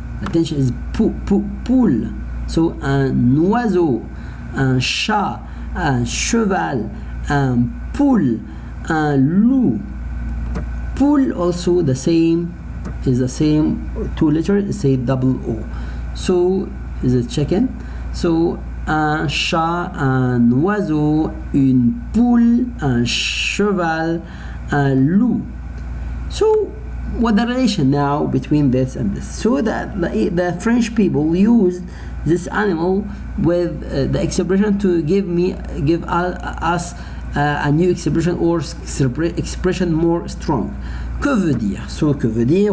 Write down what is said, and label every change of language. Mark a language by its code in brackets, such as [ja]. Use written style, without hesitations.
[en] Attention is poule. So [fr] un oiseau, un chat, un cheval, un poule, un loup. [en] Poule also the same, is the same two letters, say double O. So is it chicken? [fr] So un chat, un oiseau, une poule, un cheval, un loup. [en] So, what the relation now between this and this? So that the French people used this animal with the expression to give us a new expression or expression more strong. [fr] Que veut dire? [en] So [fr] que veut dire?